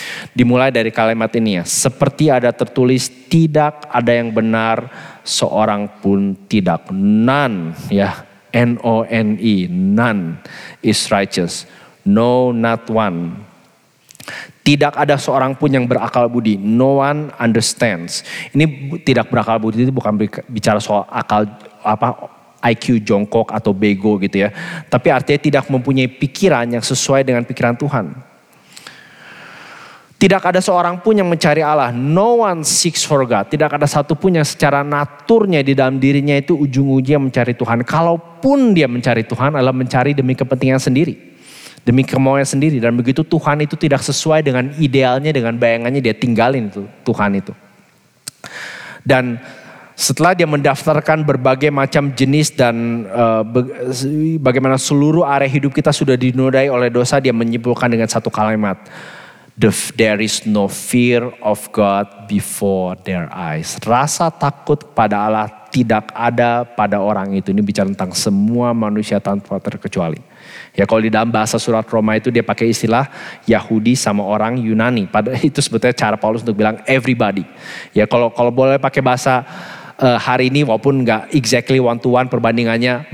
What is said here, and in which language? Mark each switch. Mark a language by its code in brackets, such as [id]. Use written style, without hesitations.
[id] Dimulai dari kalimat ini ya, seperti ada tertulis, tidak ada yang benar, seorang pun tidak. [en] None, ya, N-O-N-E, none is righteous, no, not one. [id] Tidak ada seorang pun yang berakal budi. [en] No one understands. [id] Ini tidak berakal budi itu bukan bicara soal akal apa IQ jongkok atau bego gitu ya. Tapi artinya tidak mempunyai pikiran yang sesuai dengan pikiran Tuhan. Tidak ada seorang pun yang mencari Allah. [en] No one seeks for God. [id] Tidak ada satu pun yang secara naturnya di dalam dirinya itu ujung-ujungnya mencari Tuhan. Kalaupun dia mencari Tuhan adalah mencari demi kepentingan sendiri. Demi kemauan sendiri. Dan begitu Tuhan itu tidak sesuai dengan idealnya, dengan bayangannya, dia tinggalin itu, Tuhan itu. Dan setelah dia mendaftarkan berbagai macam jenis dan bagaimana seluruh area hidup kita sudah dinodai oleh dosa, dia menyimpulkan dengan satu kalimat. [en] There is no fear of God before their eyes. [id] Rasa takut pada Allah tidak ada pada orang itu. Ini bicara tentang semua manusia tanpa terkecuali. Ya kalau di dalam bahasa surat Roma itu dia pakai istilah Yahudi sama orang Yunani. Padahal itu sebetulnya cara Paulus untuk bilang everybody. Ya kalau boleh pakai bahasa hari ini walaupun gak [en] exactly one to one [id] perbandingannya.